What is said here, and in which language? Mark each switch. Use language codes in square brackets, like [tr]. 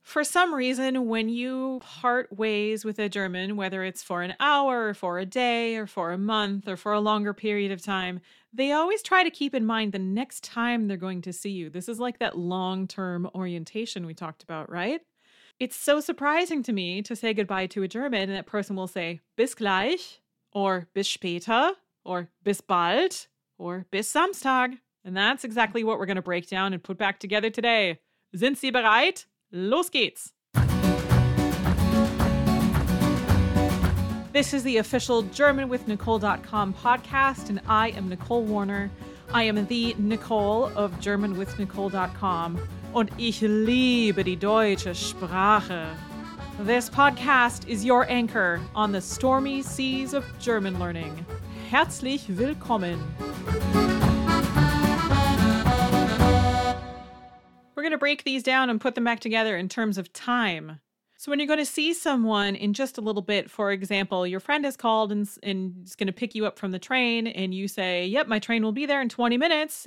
[en] For some reason, when you part ways with a German, whether it's for an hour or for a day or for a month or for a longer period of time, they always try to keep in mind the next time they're going to see you. This is like that long-term orientation we talked about, right? It's so surprising to me to say goodbye to a German and that person will say [de] bis gleich [en] or [de] bis später [en] or [de] bis bald [en] or [de] bis Samstag. [en] And that's exactly what we're going to break down and put back together today. [de] Sind Sie bereit? Los geht's! [en] This is the official GermanWithNicole.com podcast, and I am Nicole Warner. I am the Nicole of GermanWithNicole.com, [de] und ich liebe die deutsche Sprache. [en] This podcast is your anchor on the stormy seas of German learning. [de] Herzlich willkommen! [en] We're going to break these down and put them back together in terms of time. So when you're going to see someone in just a little bit, for example, your friend has called and is going to pick you up from the train, and you say, yep, my train will be there in 20 minutes.